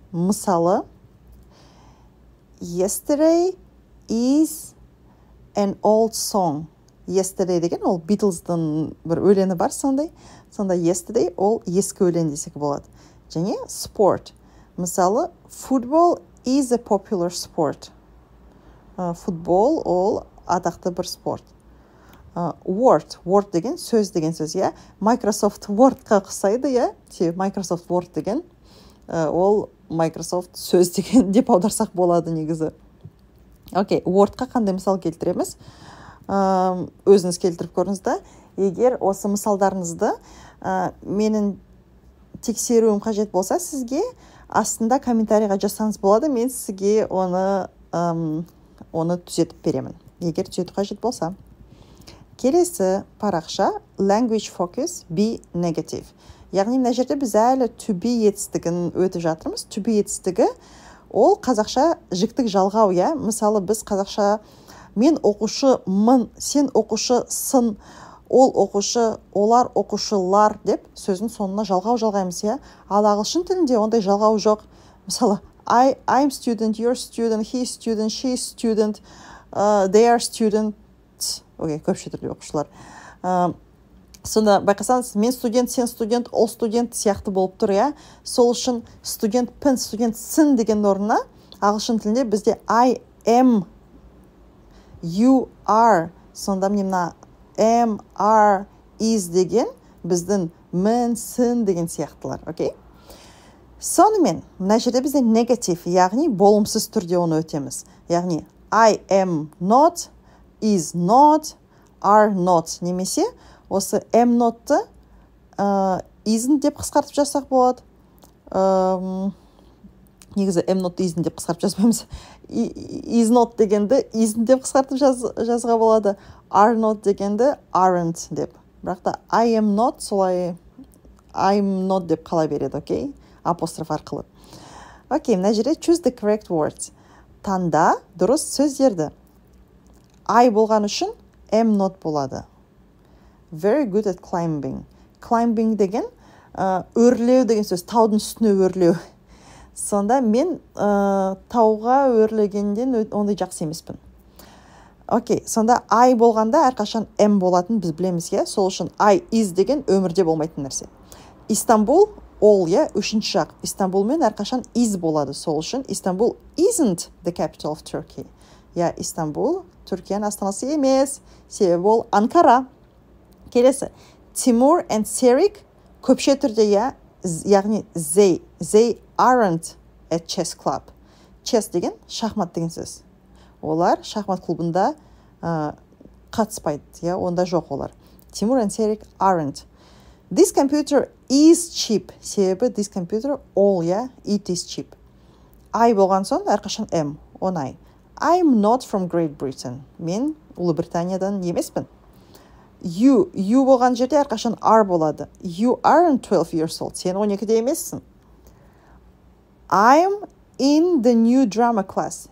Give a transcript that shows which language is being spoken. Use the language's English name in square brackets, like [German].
[Kazakh] Мысалы, [English] yesterday is an old song. [Kazakh] Yesterday деген ол Beatles-дың бір өлені бар сондай. Сонда yesterday ол ескі өлен десек болады. Және sport. Мысалы, [English] football is a popular sport. [Kazakh] Футбол ол атақты бір спорт. Word. Word деген сөз деген сөз, иә. Microsoft Word-қа ұқсайды, иә. Себебі Microsoft Word деген ол Microsoft сөз деген деп аударсақ болады негізі. Окей, Word-қа қандай мысал келтіреміз? Өзіңіз келтіріп көріңіз да. Егер осы мысалдарыңызды менің тексеруім қажет болса, сізге астында комментарийға жазсаңыз болады. Мен сізге оны түзетіп беремін. Егер түзету қажет болса. Келесі парақша, language focus, be negative. Яғни, мына жерде біз әлі to be етістігін өтіп жатырмыз. To be етістігі, ол қазақша жіктік жалғау, иә? Мысалы, біз қазақша, мен оқушы мын, сен оқушы сын, ол оқушы, олар оқушылар, деп сөзін соңына жалғау жалғаймыз, иә? Ал ағылшын тілінде ондай жалғау жоқ. Мысалы, [English] I'm student, you're student, he's student, she's student, they are student. [Kazakh] Окей, көпше түрлі оқушылар. Сонда байқасаңыз, мен студент, сен студент, ол студент сияқты болып тұр, иә? Сол үшін студент пен, студент сын деген орнына ағылшын тілінде бізде I am, you are, сонда мен мына am, are, is деген біздің мен, сын деген сияқтылар, окей? Сонымен, мына жерде бізде негатив, яғни болымсыз түрде оны өтеміз. Яғни [English] I am not, is not, are not. [Kazakh] Немесе, осы am not-ты isn't деп қысқартып жасақ болады. Негізі am not-ты isn't деп қысқартып жазбаймыз. Is not дегенді isn't деп қысқартып жазға болады. Are not дегенді aren't деп. Бірақ та I am not солай I'm not деп қала береді, окей? Апостроф арқылы. Окей, мына жерде [English] choose the correct words. [Kazakh] Танда дұрыс сөздерді. I болған үшін am not болады. [English] Very good at climbing. [Kazakh] Climbing деген өрлеу деген сөз, таудың үстіне өрлеу. Сонда мен тауға өрлегенден ондай жақсы емеспін. Окей, сонда I болғанда әрқашан am болатын біз білеміз, иә? Сол үшін I is деген өмірде болмайтын нәрсе. Istanbul ол, иә, үшінші жақ. Istanbul мен әрқашан is болады. [English] Сол үшін Istanbul isn't the capital of Turkey. [Kazakh] Иә, Istanbul Түркияның астанасы емес, себебі ол Анкара. Келесі, Тимур and Серик көпше түрде, иә, яғни [English] they aren't at chess club. [Kazakh] Chess деген шахмат деген сөз. Олар шахмат клубында қатыспайды, иә, онда жоқ олар. [English] Тимур and Серик aren't. This computer is cheap. [Kazakh] Себебі [English] this computer all, иә, it is cheap. I [Kazakh] болған соң әрқашан [English] M, on I. I'm not from Great Britain. [Kazakh] Мен Ұлыбританиядан емеспін. You болған жерде әрқашан are болады. [English] You aren't 12 years old. [Kazakh] Сен 12-де емессің. [English] I'm in the new drama class.